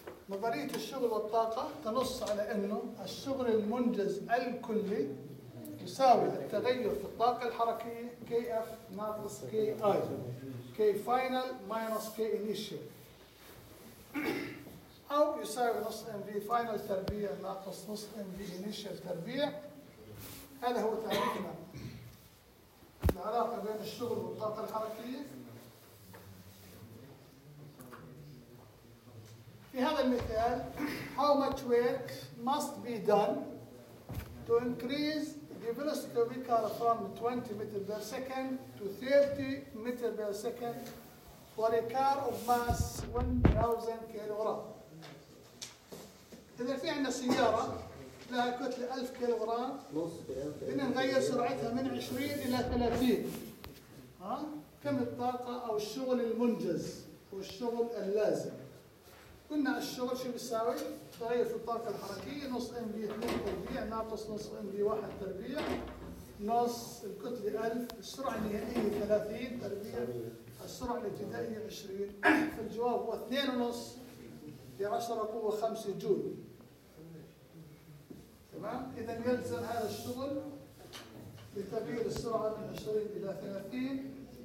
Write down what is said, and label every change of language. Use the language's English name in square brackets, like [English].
[Arabic] نظرية الشغل والطاقة تنص على انه الشغل المنجز الكلي يساوي التغير في الطاقة الحركية Kf ناقص Ki Kfinal ماينس Kinitial أو يساوي نص Mv Final تربيع ناقص نص Mv Initial تربيع. هذا هو تعريفنا العلاقة بين الشغل والطاقة الحركية. في هذا المثال [English] How much work must be done to increase The velocity of the car from 20 meters per second to 30 meters per second for a car of mass 1,000 kilograms. [Arabic] إذا في عندنا سيارة لها كتلة 1000 كيلوغرام نص كيلوغرام بدنا نغير سرعتها من 20 إلى 30 ها؟ كم الطاقة أو الشغل المنجز والشغل اللازم؟ قلنا الشغل شو بيساوي؟ تغير في الطاقة الحركية نص MV 2 تربيع ناقص نص MV 1 تربيع نص الكتلة 1000 السرعة النهائية 30 تربيع السرعة الابتدائية 20 فالجواب هو 2.5 × 10^5 جول تمام؟ إذا يلزم هذا الشغل لتغيير السرعة من 20 إلى 30